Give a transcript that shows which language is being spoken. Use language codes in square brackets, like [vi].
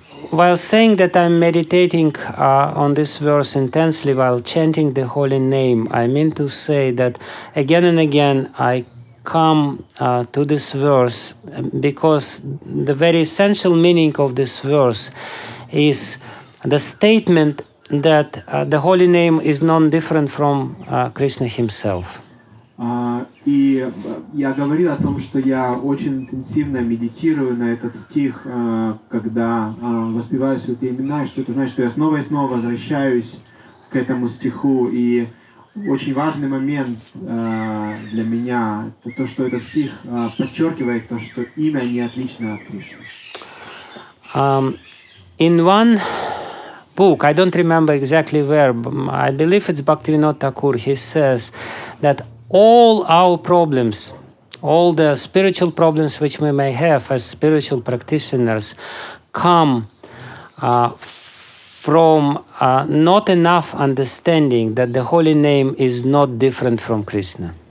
[en] While saying that I'm meditating on this verse intensely while chanting the holy name, I mean to say that again and again I come to this verse, because the very essential meaning of this verse is the statement that the holy name is none different from Krishna himself. [ru] И я говорил о том, что я очень интенсивно медитирую на этот стих, когда воспеваю святые имена, и что это значит, что я снова и снова возвращаюсь к этому стиху. И очень важный момент для меня — это то, что этот стих подчеркивает то, что имя не отлично от Кришны. [en] In one book, I don't remember exactly where, but I believe it's Bhaktivinoda Thakur, he says that all our problems, all the spiritual problems which we may have as spiritual practitioners come from not enough understanding that the holy name is not different from Krishna.